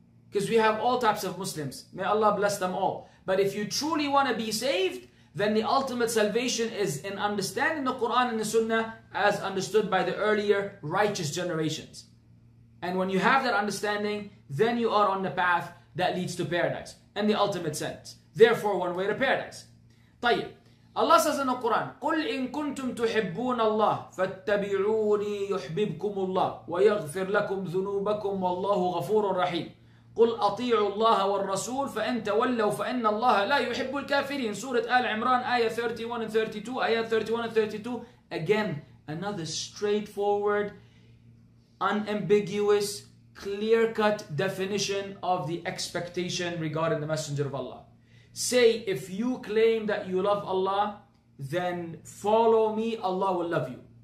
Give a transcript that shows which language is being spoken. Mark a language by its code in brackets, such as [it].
[en] Because we have all types of Muslims. May Allah bless them all. But if you truly want to be saved, then the ultimate salvation is in understanding the Quran and the Sunnah as understood by the earlier righteous generations. And when you have that understanding, then you are on the path that leads to paradise and the ultimate sense. Therefore, one way to paradise. طيب. Allah says in the Quran, [ar] قُلْ إِن كُنْتُمْ تُحِبُّونَ اللَّهِ فَاتَّبِعُونِي يُحْبِبْكُمُ اللَّهِ وَيَغْفِرْ لَكُمْ ذُنُوبَكُمْ وَاللَّهُ غَفُورٌ رَحِيمٌ قُلْ أَطِيعُوا اللَّهَ وَالرَّسُولُ فَإِن تَوَلَّوا فَإِنَّ اللَّهَ لَا يُحِبُّ الْكَافِرِينَ [en] Surah Al Imran, ayah 31 and 32, ayah 31 and 32. Again, another straightforward, unambiguous, clear-cut definition of the expectation regarding the Messenger of Allah. Say, if you claim that you love Allah, then follow me, Allah will love you.